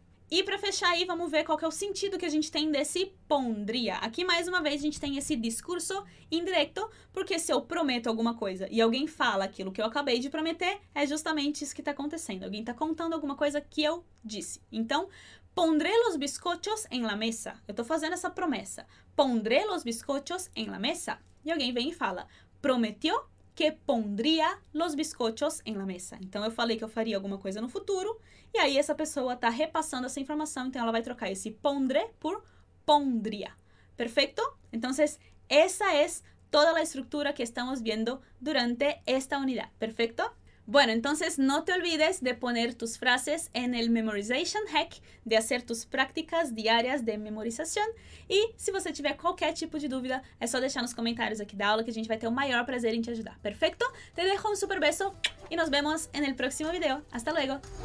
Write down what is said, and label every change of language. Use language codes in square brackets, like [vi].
[pt] E para fechar aí, vamos ver qual que é o sentido que a gente tem desse pondria. Aqui, mais uma vez, a gente tem esse discurso indireto, porque se eu prometo alguma coisa e alguém fala aquilo que eu acabei de prometer, é justamente isso que está acontecendo. Alguém está contando alguma coisa que eu disse. Então, [es] pondré los bizcochos en la mesa. [pt] Eu estou fazendo essa promessa. [es] Pondré los bizcochos en la mesa. [pt] E alguém vem e fala, [es] prometió que pondría los bizcochos en la mesa. [pt] Então, eu falei que eu faria alguma coisa no futuro, e aí essa pessoa está repassando essa informação, então ela vai trocar esse pondré por pondría. Perfeito? Então, essa é toda a estrutura que estamos vendo durante esta unidade. Perfeito? [es] Bueno, entonces no te olvides de poner tus frases en el memorization hack, de hacer tus prácticas diarias de memorización. Y si [pt] você tiver qualquer tipo de dúvida, é só deixar nos comentários aqui da aula que a gente vai ter o maior prazer em te ajudar. [es] Perfecto? Te dejo un super beso y nos vemos en el próximo video. Hasta luego.